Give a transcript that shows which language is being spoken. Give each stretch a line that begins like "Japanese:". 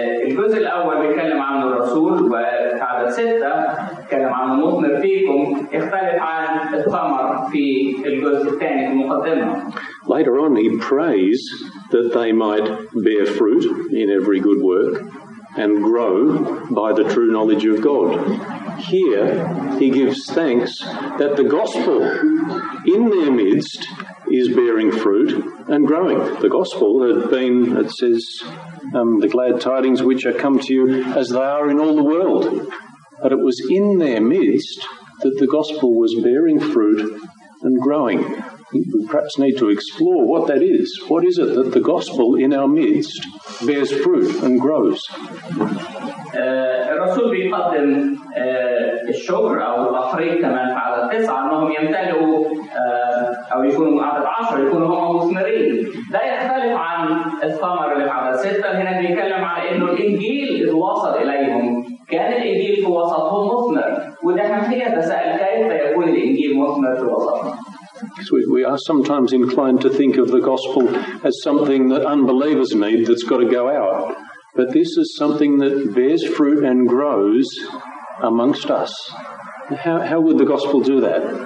Arabic: الجزء الأول بيتكلم عن الرسول وعدد ستة بيتكلم عن مثمر فيكم يختلف عن الثمر في الجزء الثاني في المقدمة.
English: Later on he prays that they might bear fruit in every good work and grow by the true knowledge of God. Here he gives thanks that the gospel in their midst is bearing fruit and growing. The gospel had been, it says, the glad tidings which are come to you as they are in all the world. But it was in their midst that the gospel was bearing fruit and growing. We perhaps need to explore what that is. What is it that the gospel in our midst bears fruit and grows?
Arabic: الرسول بيقدم الشكر أو الأفريق كمان في عدد 9 أنهم يمتلئوا أو يكونوا عدد 10 يكونوا هم مثمرين ده يختلف عن الثمر اللي في عدد 6 هنا بيتكلم على إنه الإنجيل وصل إليهم كان الإنجيل في وسطهم مثمر وده حقيقة تسأل كيف يكون الإنجيل مثمر في وسطهم.
English: So we are sometimes inclined to think of the gospel as something that unbelievers need that's got to go out. but this is something that bears fruit and grows amongst us. How would the gospel do that?